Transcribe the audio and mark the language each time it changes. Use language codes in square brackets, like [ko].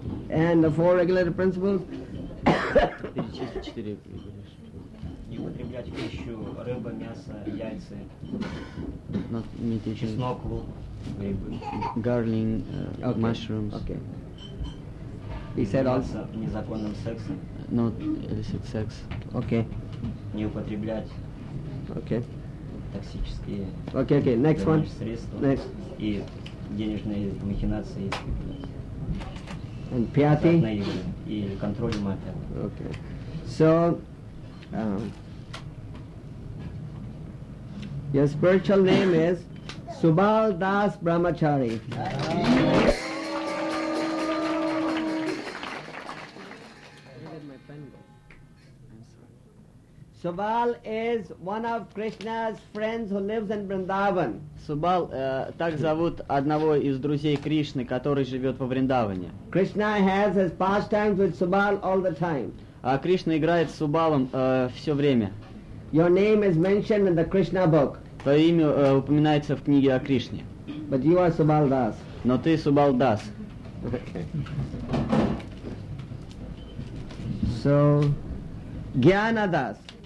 [en] And the four regulated principles? [ru] Перечислить 4. Не употреблять пищу, рыба, мясо, яйца, чеснок, грибы. [en] Garlic, mushrooms. Okay. He said also. [ru] Незаконным сексом. [en] Not illicit sex. Okay. [ru] Не употреблять. [en] Okay. [ru] токсические средства и денежные махинации. And пятый. И контроль ума пятый. [en] Okay. So, your spiritual name is Subal Das Brahmachari. Subal is one of Krishna's friends who lives in Vrindavan. [ru] Subal, так зовут одного из друзей Кришны, который живет во Вриндаване. [en] Krishna has his pastimes with Subal all the time. [ru] А Кришна играет с Субалом все время. [en] Your name is mentioned in the Krishna book. [ru] Твое имя упоминается в книге о Кришне. [en] But you are Subal Das. [ru] Но ты Субал Дас. [en] Okay. So, Гьяна Дас.